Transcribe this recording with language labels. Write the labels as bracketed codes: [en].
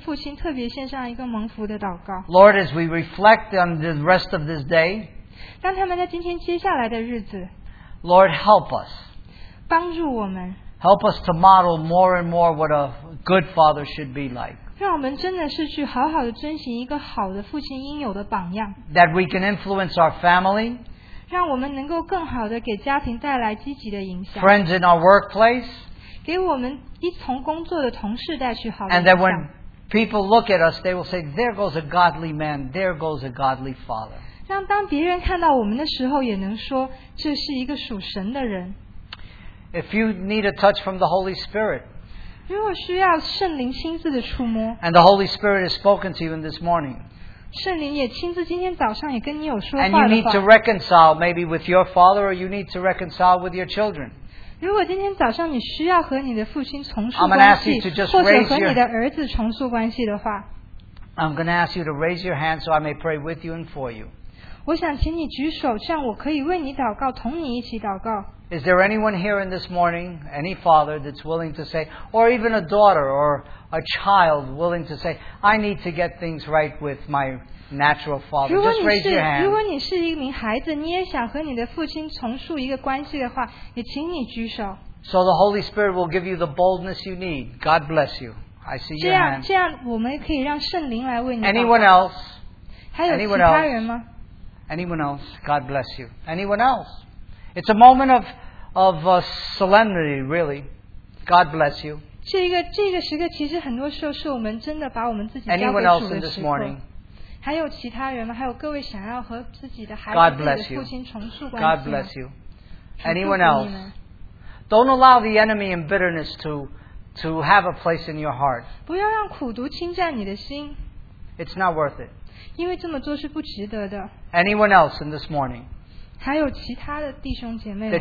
[zh] 今天我想要为在座的每一位父亲特别献上一个蒙福的祷告。 [en] Lord, as we reflect on the rest of this day, [zh] 让他们在今天接下来的日子, [en] Lord, help us. [zh] 帮助我们。 [en] Help us to model more and more what a good father should be like. [zh] 让我们真的是去好好的遵循一个好的父亲应有的榜样。 [en] That we can influence our family. [zh] 让我们能够更好的给家庭带来积极的影响。 [en] Friends in our workplace. [zh] 给我们一同工作的同事带去好的影响。 [en] And that when people look at us, they will say, there goes a godly man, there goes a godly father. [zh] 让当别人看到我们的时候也能说, 这是一个属神的人。 [en] If you need a touch from the Holy Spirit, [zh] 如果需要圣灵亲自的触摸, [en] and the Holy Spirit has spoken to you in this morning, [zh] 圣灵也亲自今天早上也跟你有说话的话, [en] and you need to reconcile maybe with your father, or you need to reconcile with your children, [zh] 如果今天早上你需要和你的父亲重塑关系, [en] I'm going to ask you to just raise your, [zh] 或者和你的儿子重塑关系的话, [en] I'm going to ask you to raise your hand so I may pray with you and for you. [zh] 我想请你举手, 这样我可以为你祷告, 同你一起祷告。 [en] Is there anyone here in this morning, any father that's willing to say, or even a daughter or a child willing to say, I need to get things right with my natural father? Just raise your hand. [zh] 如果你是一名孩子, 你也想和你的父亲重塑一个关系的话, 也请你举手。 [en] So the Holy Spirit will give you the boldness you need. God bless you. I see your hand. [zh] 这样我们可以让圣灵来为你。 [en] Anyone else? [zh] 还有其他人吗? [en] Anyone else? God bless you. Anyone else? It's a moment of solemnity, really. God bless you. [zh] 这个时刻其实很多时候是我们真的把我们自己交给主的时候。 [en] Anyone else in this morning? [zh] 还有其他人吗? 还有各位想要和自己的孩子, [en] God bless you. [zh] 父亲重塑关系吗? [en] God bless you. Anyone else? Don't allow the enemy and bitterness to have a place in your heart. [zh] 不要让苦毒侵占你的心。 [en] It's not worth it. [zh] 因为这么做是不值得的。 [en] Anyone else in this morning? [zh] 还有其他的弟兄姐妹们,